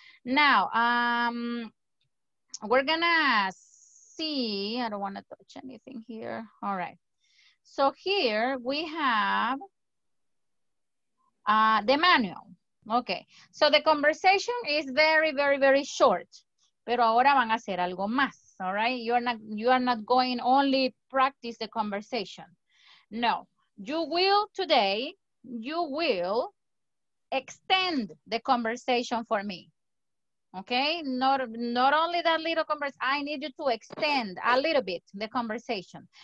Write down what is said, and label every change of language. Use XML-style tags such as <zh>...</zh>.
<en>Now, we're gonna see, I don't wanna touch anything here. All right, so here we have the manual. Okay, so the conversation is very, very, very short.</en> <es>Pero ahora van a hacer algo más,</es> <en>all right? You are not going only practice the conversation. No, you will extend the conversation for me, Okay, not only that little conversation, I need you to extend a little bit the conversation.</en>